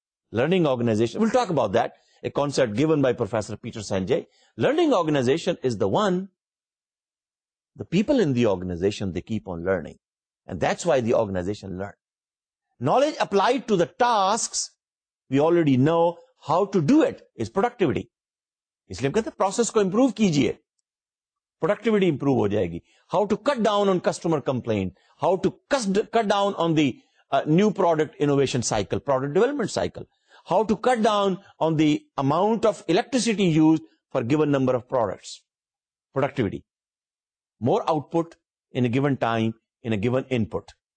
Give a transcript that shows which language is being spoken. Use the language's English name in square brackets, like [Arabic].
[English] Learning organization, we'll talk about that, a concept given by Professor Peter Sanjay. Learning organization is the one the people in the organization, they keep on learning. And that's why the organization learn. Knowledge applied to the tasks, we already know how to do it, is productivity. [Urdu] اس لیے کہتے ہیں process کو improve کیجئے. [English] Productivity improve [Urdu] ہو جائے گی. [English] How to cut down on customer complaint. How to cut down on the new product innovation cycle, product development cycle. How to cut down on the amount of electricity used for given number of products. Productivity. More output in a given time, in a given input.